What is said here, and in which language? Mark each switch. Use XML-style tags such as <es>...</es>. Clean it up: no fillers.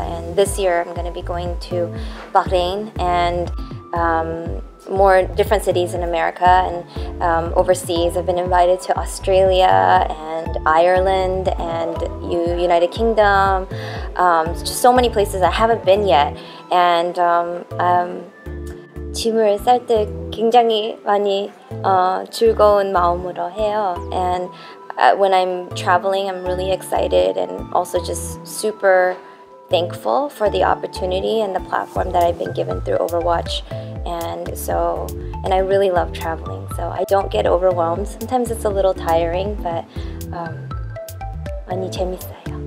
<en>And this year I'm going to be going to Bahrain and more different cities in America and overseas. I've been invited to Australia and Ireland and United Kingdom. Just so many places I haven't been yet.</en> <ko>And 짐을 쌀 때 굉장히 많이 즐거운 마음으로 해요.</ko> <en>And when I'm traveling, I'm really excited and also just super thankful for the opportunity and the platform that I've been given through Overwatch. And I really love traveling, so I don't get overwhelmed. Sometimes it's a little tiring, but</en> <ko>많이 재밌어요.</ko>